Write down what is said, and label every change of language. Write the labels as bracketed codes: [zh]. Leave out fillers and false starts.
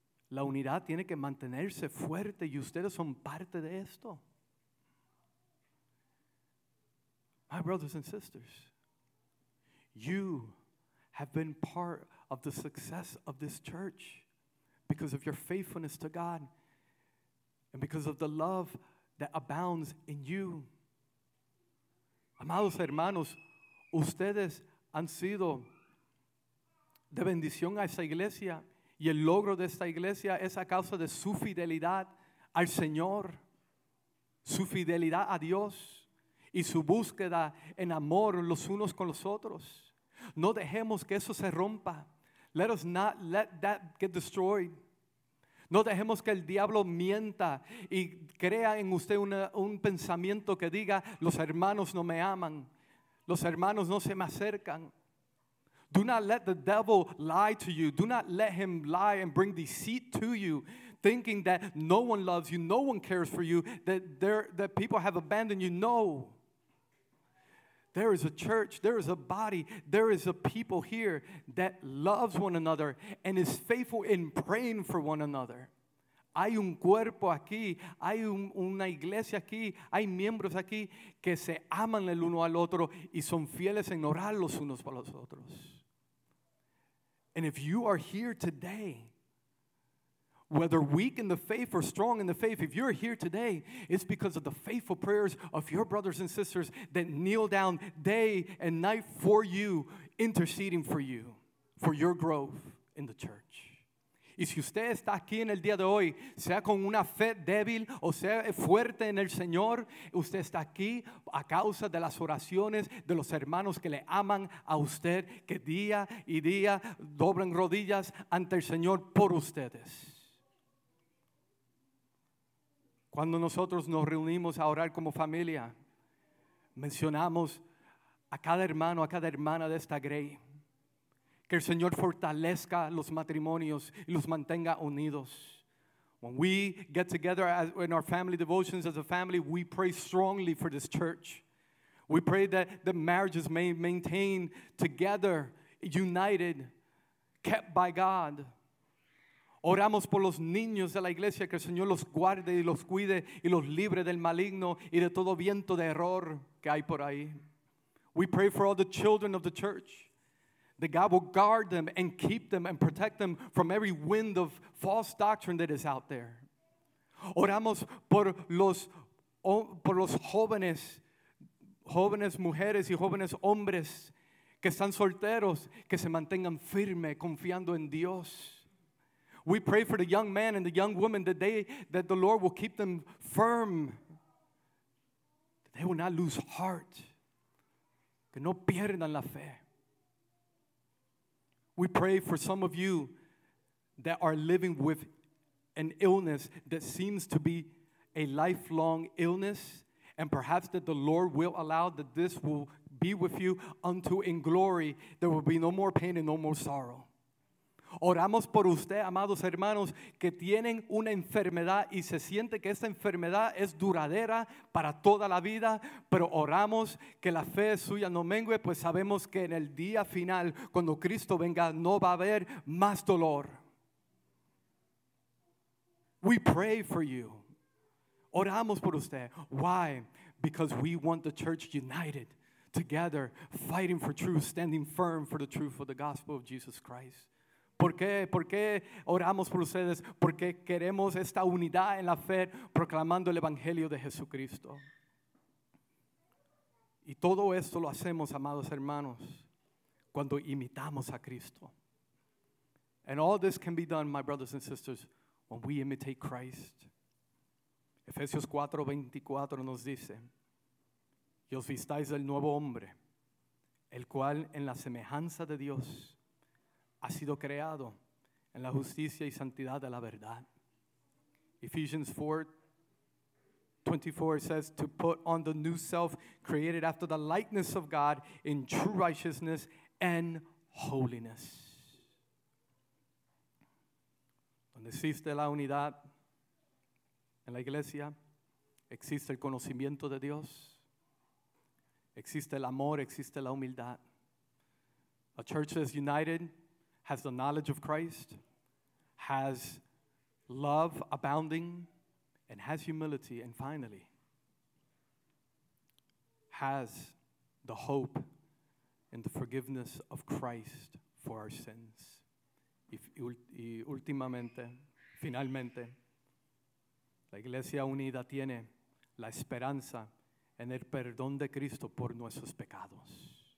[es] la unidad tiene que mantenerse fuerte y ustedes son parte de esto. [en] My brothers and sisters, you have been part of the success of this church because of your faithfulness to God and because of the love that abounds in you. [es] Amados hermanos, ustedes han sido de bendición a esa iglesia. Y el logro de esta iglesia es a causa de su fidelidad al Señor, su fidelidad a Dios y su búsqueda en amor los unos con los otros. No dejemos que eso se rompa. [en] Let us not let that get destroyed. [es] No dejemos que el diablo mienta y crea en usted un pensamiento que diga, los hermanos no me aman. Los hermanos no se me acercan. [en] Do not let the devil lie to you. Do not let him lie and bring deceit to you, thinking that no one loves you, no one cares for you, that people have abandoned you. No. There is a church, there is a body, there is a people here that loves one another and is faithful in praying for one another. [es] Hay un cuerpo aquí, hay una iglesia aquí, hay miembros aquí que se aman el uno al otro y son fieles en orar los unos para los otros. [en] And if you are here today, whether weak in the faith or strong in the faith, if you're here today, it's because of the faithful prayers of your brothers and sisters that kneel down day and night for you, interceding for you, for your growth in the church. [es] Y si usted está aquí en el día de hoy, sea con una fe débil o sea fuerte en el Señor, usted está aquí a causa de las oraciones de los hermanos que le aman a usted, que día y día doblan rodillas ante el Señor por ustedes. Cuando nosotros nos reunimos a orar como familia, mencionamos a cada hermano, a cada hermana de esta grey. Que el Señor fortalezca los matrimonios y los mantenga unidos. [en] When we get together in our family devotions as a family, we pray strongly for this church. We pray that the marriages may maintain together, united, kept by God. [es] Oramos por los niños de la iglesia, que el Señor los guarde y los cuide y los libre del maligno y de todo viento de error que hay por ahí. [en] We pray for all the children of the church, that God will guard them and keep them and protect them from every wind of false doctrine that is out there. [es] Oramos por los jóvenes, jóvenes mujeres y jóvenes hombres que están solteros, que se mantengan firme confiando en Dios. [en] We pray for the young man and the young woman that the Lord will keep them firm. That they will not lose heart. [es] Que no pierdan la fe. [en] We pray for some of you that are living with an illness that seems to be a lifelong illness. And perhaps that the Lord will allow that this will be with you unto in glory. There will be no more pain and no more sorrow. [es] Oramos por usted, amados hermanos, que tienen una enfermedad y se siente que esta enfermedad es duradera para toda la vida, pero oramos que la fe suya no mengue, pues sabemos que en el día final, cuando Cristo venga, no va a haber más dolor. [en] We pray for you. [es] Oramos por usted. [en] Why? Because we want the church united, together, fighting for truth, standing firm for the truth of the gospel of Jesus Christ. [es] ¿Por qué? ¿Por qué oramos por ustedes? Porque queremos esta unidad en la fe proclamando el Evangelio de Jesucristo. Y todo esto lo hacemos, amados hermanos, cuando imitamos a Cristo. [en] And all this can be done, my brothers and sisters, when we imitate Christ. [es] Efesios 4:24 nos dice, y os vistáis del nuevo hombre, el cual en la semejanza de Dios ha sido creado en la justicia y santidad de la verdad. [en] Ephesians 4:24 says, to put on the new self created after the likeness of God in true righteousness and holiness. [es] Donde existe la unidad en la iglesia, existe el conocimiento de Dios, existe el amor, existe la humildad. [en] A church that is united has the knowledge of Christ, has love abounding, and has humility, and finally, has the hope and the forgiveness of Christ for our sins. [es] Y últimamente, finalmente, la iglesia unida tiene la esperanza en el perdón de Cristo por nuestros pecados.